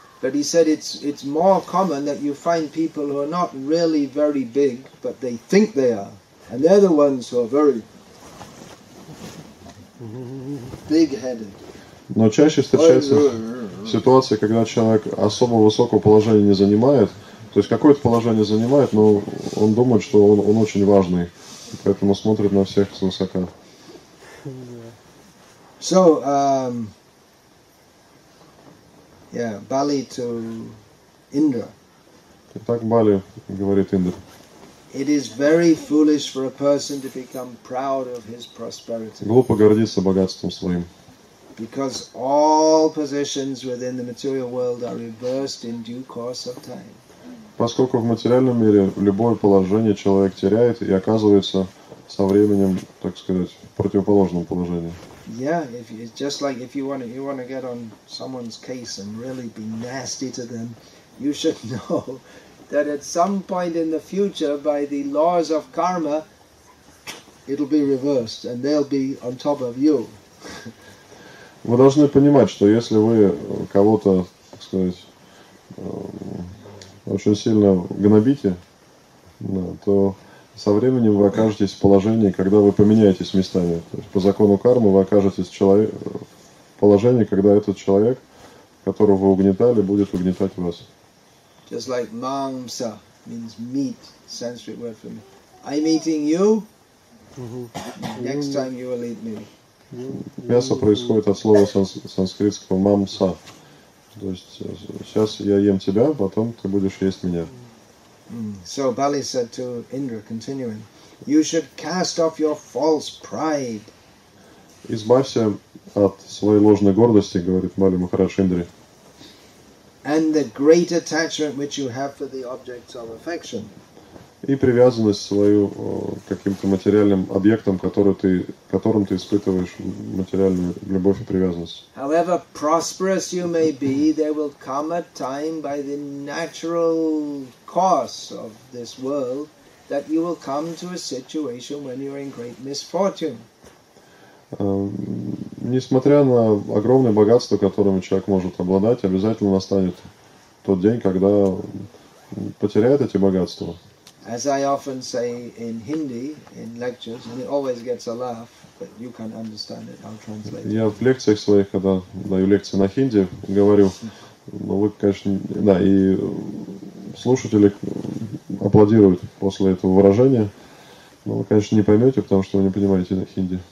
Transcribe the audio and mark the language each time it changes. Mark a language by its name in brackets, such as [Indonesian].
[English] But he said it's more common that you find people who are not really very big, but they think they are, and they're the ones who are very [Russian] Но чаще встречается ситуация, когда человек особо высокого положения не занимает, то есть какое-то положение занимает, но он думает, что он очень важный, и поэтому смотрит на всех свысока. [English] So, yeah, Bali to Indra. [Russian] Так Бали говорит Индра. [English] It is very foolish for a person to become proud of his prosperity. [Russian] Глупо гордиться богатством своим. [English] Because all positions within the material world are reversed in due course of time. [Russian] Поскольку в материальном мире любое положение человек теряет и оказывается со временем, так сказать, в противоположном положении. [English] Yeah, if it's just like if you want to get on someone's case and really be nasty to them, you should know that at some point in the future, by the laws of karma, it'll be reversed, and they'll be on top of you. [Russian] Вы должны понимать, что если вы кого-то, так сказать, очень сильно гнобите, да, то со временем вы окажетесь в положении, когда вы поменяетесь местами. То есть по закону кармы вы окажетесь в положении, когда этот человек, которого вы угнетали, будет угнетать вас. [English] Just like mamsa means meat, Sanskrit word for meat. I'm eating you. Next time you will eat me. [Russian] Мясо происходит от слова санскритского мамса. То есть сейчас я ем тебя, потом ты будешь есть меня. [English] So Bali said to Indra, continuing, "You should cast off your false pride." [Russian] Избавься от своей ложной гордости, говорит Бали Махарадж Индре. [English] And the great attachment which you have for the objects of affection. [Russian] И привязанность свою каким-то материальным объектам, которым ты испытываешь материальную любовь и привязанность. [English] However prosperous you may be, there will come a time by the natural course of this world that you will come to a situation when you are in great misfortune. [Russian] несмотря на огромное богатство, которым человек может обладать, обязательно настанет тот день, когда потеряет эти богатства. [English] As I often say in Hindi, in lectures, and it always gets a laugh, but you can understand it, I'll translate it. [Russian] Я в лекциях своих, когда даю лекции на хинди, говорю, ну вы, конечно, да, и слушатели аплодируют после этого выражения, но вы, конечно, не поймете, потому что вы не понимаете на хинди.